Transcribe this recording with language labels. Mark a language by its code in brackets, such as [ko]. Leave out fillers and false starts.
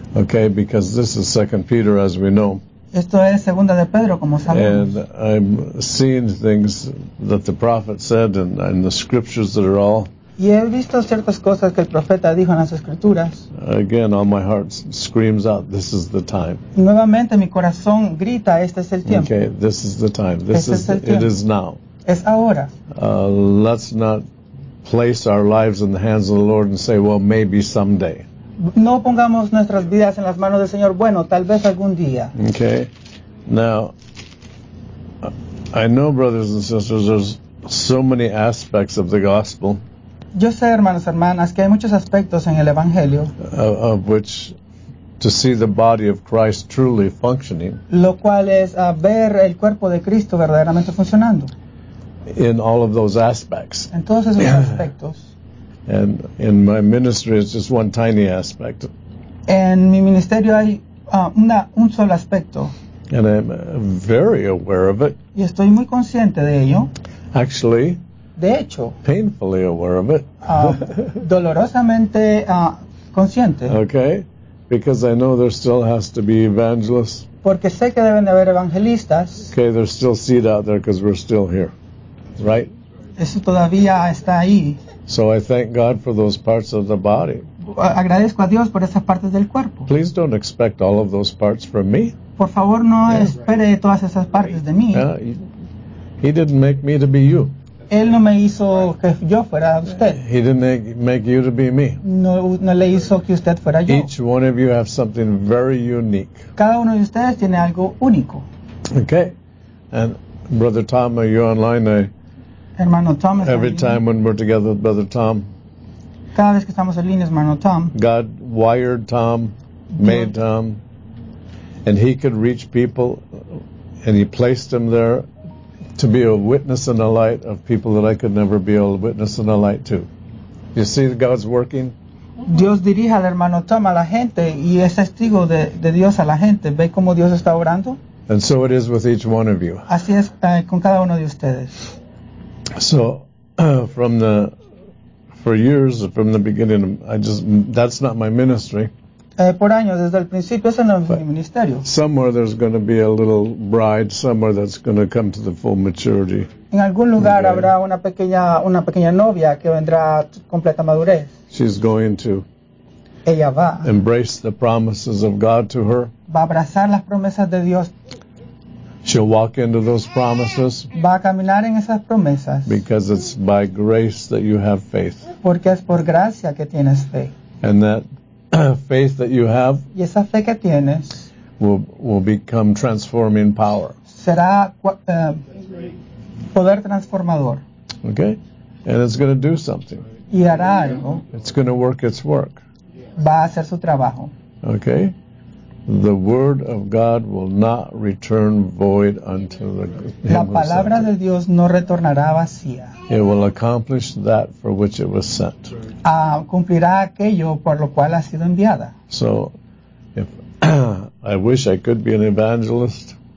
[en] Okay, because this is 2 Peter, as we know. [es] Esto es Segunda de Pedro, como sabemos. [en] And I'm seeing things that the prophet said and the scriptures that are all. [es] Y he visto ciertas cosas que el profeta dijo en las escrituras. [en] Again, all my heart screams out, this is the time. [es] Nuevamente mi corazón grita, este es el tiempo. [en] Okay, this is the time. This [es] este [en] is it is now. [es] Es ahora. [en] Let's not place our lives in the hands of the Lord and say, well, maybe someday. [es] No pongamos nuestras vidas en las manos del Señor. Bueno, tal vez algún día. [en] Okay. Now, I know, brothers and sisters, there's so many aspects of the gospel. [es] Yo sé, hermanos, hermanas, que hay muchos aspectos en el Evangelio. [en] Of which, to see the body of Christ truly functioning. [es] Lo cual es ver el cuerpo de Cristo verdaderamente funcionando. [en] In all of those aspects. [es] En todos esos aspectos. [en] And in my ministry is just one tiny aspect. [es] En mi ministerio hay un solo aspecto. [en] And I'm very aware of it. [es] Y estoy muy consciente de ello. [en] Actually. [es] De hecho. [en] Painfully aware of it. [es] dolorosamente consciente. [en] Okay. Because I know there still has to be evangelists. [es] Porque sé que deben de haber evangelistas. [en] Okay, there's still seed out there because we're still here. Right? [es] Eso todavía está ahí. [en] So I thank God for those parts of the body. [es] Agradezco a Dios por esas partes del cuerpo. [en] Please don't expect all of those parts from me. [es] Por favor, no espere todas esas partes de mí. [en] He didn't make me to be you. [es] Él no me hizo que yo fuera usted. [en] He didn't make you to be me. [es] No le hizo que usted fuera yo. [en] Each one of you have something very unique. [es] Cada uno de ustedes tiene algo único. [en] Okay. And Brother Tom, are you online? [es] Hermano Tom, [en] every time when we're together with Brother Tom. [es] Cada vez que estamos en línea, hermano Tom. [en] God wired Tom, made Tom, and he could reach people, and he placed him there to be a witness and a light of people that I could never be a witness and a light to. You see that God's working? [es] Dios dirige al hermano Tom a la gente y es testigo de Dios a la gente. ¿Ve cómo Dios está orando? [en] And so it is with each one of you. [es] Así es con cada uno de ustedes. [en] So, from the beginning, that's not my ministry. [es] Por años, desde el principio, ese no es mi ministerio. [en] Somewhere there's going to be a little bride, somewhere that's going to come to the full maturity. [es] En algún lugar habrá una pequeña novia que vendrá completa madurez. [en] She's going to. [es] Ella va. [en] Embrace the promises of God to her. [es] Va a abrazar las promesas de Dios. [en] She'll walk into those promises. [es] Va a caminar en esas promesas. [en] Because it's by grace that you have faith. [es] Porque es por gracia que tienes fe. [en] And that faith that you have. [es] Y esa fe que tienes. [en] Will become transforming power. [es] Será poder transformador. [en] Okay, and it's going to do something. [es] Y hará algo. [en] It's going to work its work. [es] Va a hacer su trabajo. [en] Okay, the word of God will not return void unto the. [es] La palabra de Dios no retornará vacía. [en] It will accomplish that for which it was sent. [es] Cumplirá aquello por lo cual ha sido enviada. [en] So, if I wish I could be an evangelist.